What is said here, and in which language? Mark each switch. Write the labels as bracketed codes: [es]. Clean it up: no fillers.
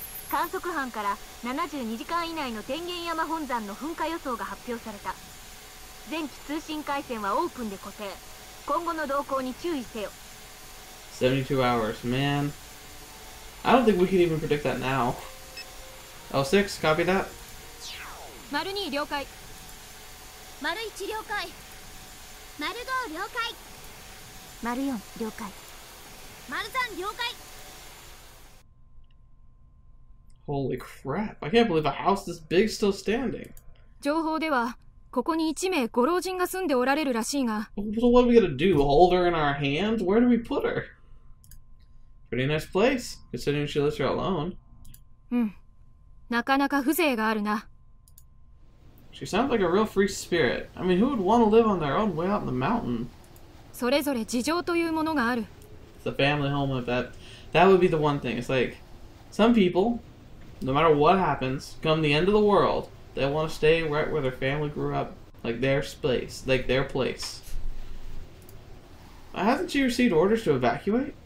[ja] 観測班から72時間以内の天元山本山の噴火予想が発表された。前期通信回線はオープンで固定。今後の動向に注意せよ。 [en] 72 hours, man. I don't think we can even predict that now. L6, copy that. [ja] 丸2了解。丸1了解。丸5了解。丸4了解。丸3了解。 [en] Holy crap! I can't believe a house this big is still standing. [ja] 情報ではここに1名ご老人が住んでおられるらしいが。 [en] So what are we gonna do? Hold her in our hands? Where do we put her? Pretty nice place, considering she lives here alone. [ja] なかなか風情があるな。 [en] She sounds like a real free spirit. I mean, who would want to live on their own way out in the mountain? [ja] それぞれ事情というものがある。 [en] It's a family home, I bet. That would be the one thing. It's like some people. no matter what happens, come the end of the world, they want to stay right where their family grew up. Like their space. Like their place. Hasn't she received orders to evacuate?